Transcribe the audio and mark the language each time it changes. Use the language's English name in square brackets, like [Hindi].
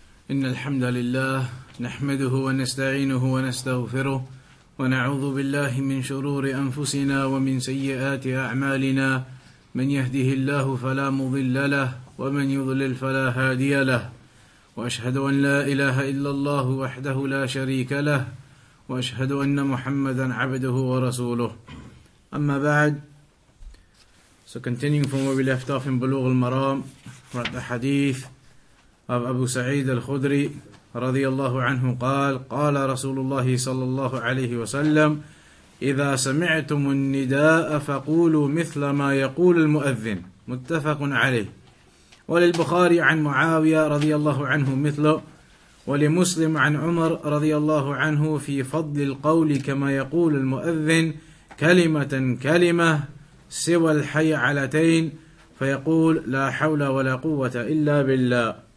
[Arabic] إن الحمد لله نحمده ونستعينه ونستغفره ونعوذ بالله من شرور أنفسنا ومن سيئات أعمالنا من يهده الله فلا مضل له ومن يضلل فلا هادي له وأشهد أن لا إله إلا الله وحده لا شريك له وأشهد أن محمدا عبده ورسوله أما بعد. [English] So continuing from where we left off in بلوغ المرام, right, the hadith of Abu Sa'id al-Khudri radiyallahu anhu qal, qal Rasulullah sallallahu alayhi wa sallam, [Arabic] إذا سمعتم النداء فقولوا مثل ما يقول المؤذن, متفق عليه. وللبخاري عن معاوية radiyallahu anhu مثله, ولمسلم عن عمر radiyallahu anhu في فضل القول كما يقول المؤذن كلمة كلمة سوى الحي علتين فيقول لا حول ولا قوة إلا بالله.